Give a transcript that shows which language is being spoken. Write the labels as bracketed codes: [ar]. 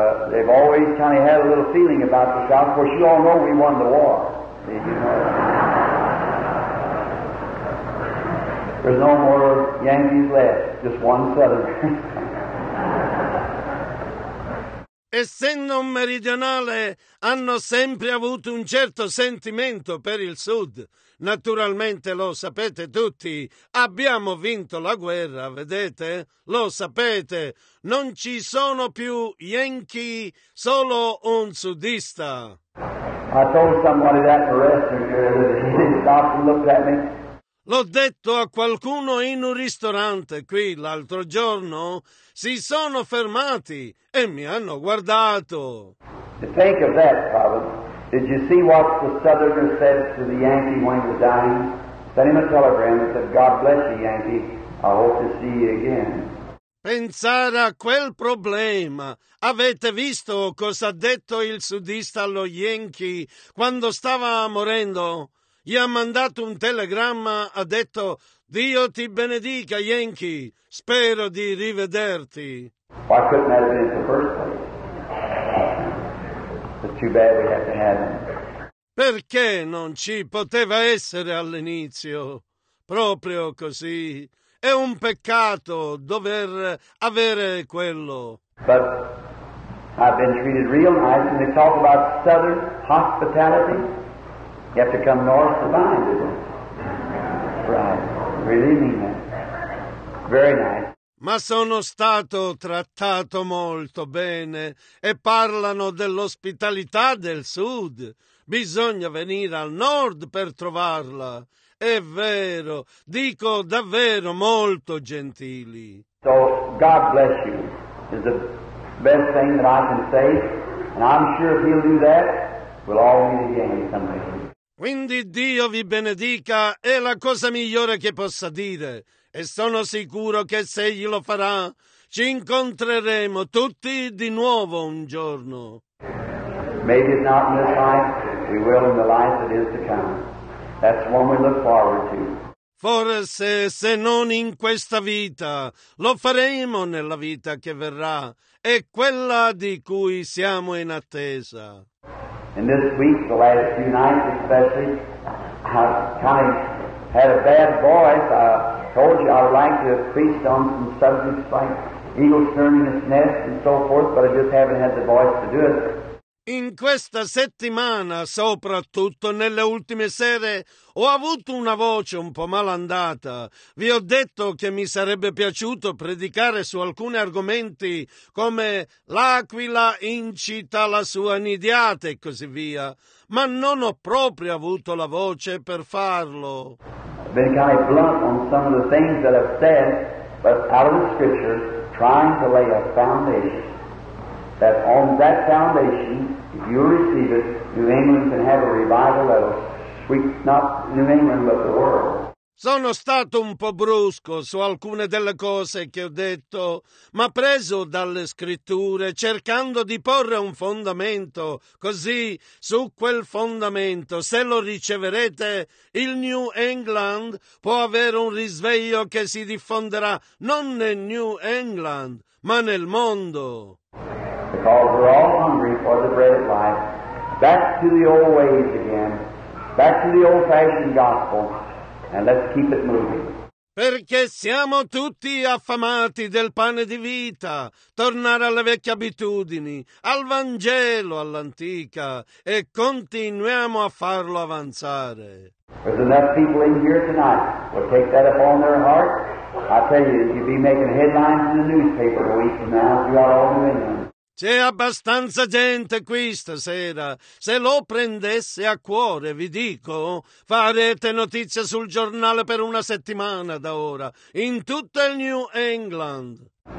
[en] they've always kind of had a little feeling about the South. Of course, you all know we won the war. Did you know that? There's no more Yankees left, just one Southern. [it] Essendo un meridionale, hanno sempre avuto un certo sentimento per il Sud. Naturalmente lo sapete tutti, abbiamo vinto la guerra, vedete? Lo sapete, non ci sono più Yankee, solo un sudista. [en] I told somebody that in a restaurant here, that he stopped and looked at me. [it] L'ho detto a qualcuno in un ristorante qui l'altro giorno, si sono fermati e mi hanno guardato. [en] Think of that, Father. Did you see what the Southerner said to the Yankee when he was dying? Sent him a telegram and said, God bless you, Yankee. I hope to see you again. [it] Pensare a quel problema. Avete visto cosa ha detto il sudista allo Yankee quando stava morendo? Gli ha mandato un telegramma, ha detto, Dio ti benedica, Yankee, spero di rivederti. [en] Why couldn't that have been the first place? It's too bad we have to have him. [it] Perché non ci poteva essere all'inizio? Proprio così. È un peccato dover avere quello. [en] But I've been treated real nice, and they talk about Southern hospitality. You have to come north to find it. Right. Really mean that. Very nice. [it] Ma sono stato trattato molto bene e parlano dell'ospitalità del sud. Bisogna venire al nord per trovarla. È vero, dico davvero molto gentili. [en] So, God bless you is the best thing that I can say. And I'm sure if he'll do that, we'll all meet again someday. [it] Quindi Dio vi benedica è la cosa migliore che possa dire e sono sicuro che se egli lo farà ci incontreremo tutti di nuovo un giorno. [en] Maybe it's not in this life, we will in the life that is to come. That's one we look forward to. [it] Forse se non in questa vita, lo faremo nella vita che verrà e quella di cui siamo in attesa. [en] In this week, the last few nights especially, I've kind of had a bad voice. I told you I'd like to have preached on some subjects like eagles turning its nest and so forth, but I just haven't had the voice to do it. [it] In questa settimana, soprattutto nelle ultime sere, ho avuto una voce un po' malandata. Vi ho detto che mi sarebbe piaciuto predicare su alcuni argomenti come l'aquila incita la sua nidiata e così via, ma non ho proprio avuto la voce per farlo. [en] I've been kind of blunt on some of the things that I've said, but out of the scripture, trying to lay a foundation. That on that foundation, if you receive it, New England can have a revival that will sweep not New England but the world. [it] Sono stato un po' brusco su alcune delle cose che ho detto, ma preso dalle scritture, cercando di porre un fondamento, così su quel fondamento, se lo riceverete, il New England può avere un risveglio che si diffonderà non nel New England, ma nel mondo. [en] Because we're all hungry for the bread of life. Back to the old ways again. Back to the old-fashioned gospel. And let's keep it moving. [it] Perché siamo tutti affamati del pane di vita. Tornare alle vecchie abitudini, al Vangelo, all'antica. E continuiamo a farlo avanzare. [en] There's enough people in here tonight who will take that upon their heart. I tell you, you'll be making headlines in the newspaper a week from now if you are all New England. [it] C'è abbastanza gente qui stasera. Se lo prendesse a cuore, vi dico, farete notizia sul giornale per una settimana da ora, in tutto il New England.